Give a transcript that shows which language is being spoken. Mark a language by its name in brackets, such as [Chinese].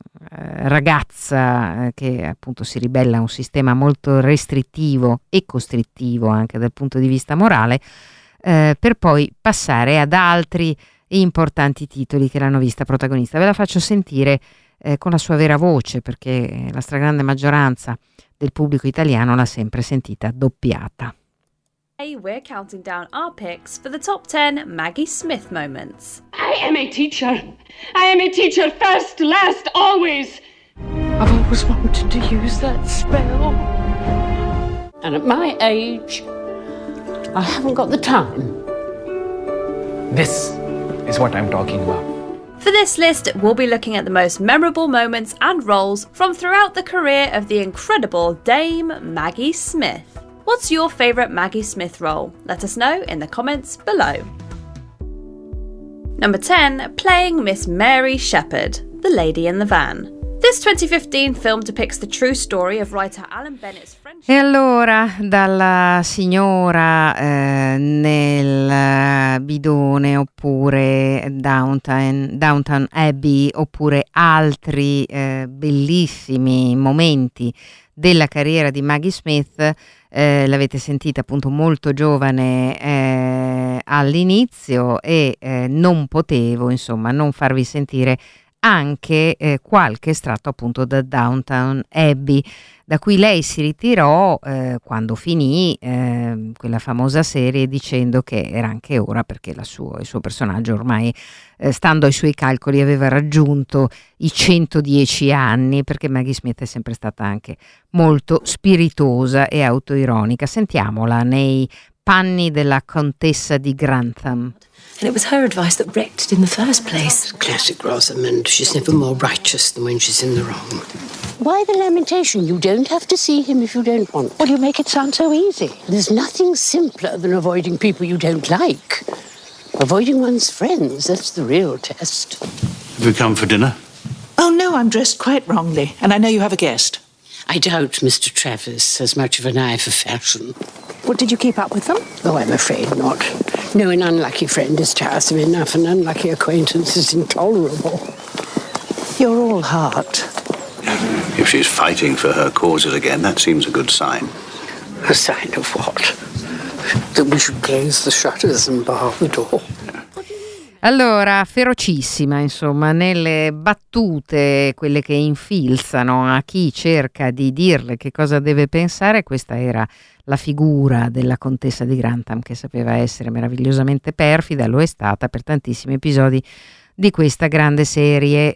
[Italian] ragazza che appunto si ribella a un sistema molto restrittivo e costrittivo anche dal punto di vista morale, per poi passare ad altri importanti titoli che l'hanno vista protagonista. Ve la faccio sentire con la sua vera voce, perché la stragrande maggioranza del pubblico italiano l'ha sempre sentita doppiata. [English] Hey, we're counting down our picks for the top 10 Maggie Smith moments. I am a teacher. I am a teacher first, last, always. I've always wanted to use that spell. And at my age, I haven't got the time. This is what I'm talking about. For this list, we'll be looking at the most memorable moments and roles from throughout the career of the incredible Dame Maggie Smith. What's your favourite Maggie Smith role? Let us know in the comments below. Number 10, playing Miss Mary Shepherd, the lady in the van. This 2015 film depicts the true story of writer Alan Bennett's friendship. [Italian] E allora, dalla signora nel bidone, oppure Downton Abbey, oppure altri bellissimi momenti della carriera di Maggie Smith. L'avete sentita appunto molto giovane all'inizio, e non potevo insomma non farvi sentire anche qualche estratto appunto da Downton Abbey, da cui lei si ritirò quando finì quella famosa serie, dicendo che era anche ora, perché il suo personaggio ormai, stando ai suoi calcoli, aveva raggiunto i 110 anni, perché Maggie Smith è sempre stata anche molto spiritosa e autoironica. Sentiamola nei panni della contessa di Grantham. [English] And it was her advice that wrecked it in the first place. Classic Rosamund. She's never more righteous than when she's in the wrong. Why the lamentation? You don't have to see him if you don't want. Well, you make it sound so easy. There's nothing simpler than avoiding people you don't like. Avoiding one's friends, that's the real test. Have you come for dinner? Oh, no, I'm dressed quite wrongly. And I know you have a guest. I doubt Mr. Travis has much of an eye for fashion. What, did you keep up with them? Oh, I'm afraid not. No, an unlucky friend is tiresome enough, an unlucky acquaintance is intolerable. You're all heart. If she's fighting for her causes again, that seems a good sign. A sign of what? That we should close the shutters and bar the door. [Italian] Allora, ferocissima, insomma, nelle battute, quelle che infilzano a chi cerca di dirle che cosa deve pensare, questa era la figura della contessa di Grantham, che sapeva essere meravigliosamente perfida, lo è stata per tantissimi episodi di questa grande serie.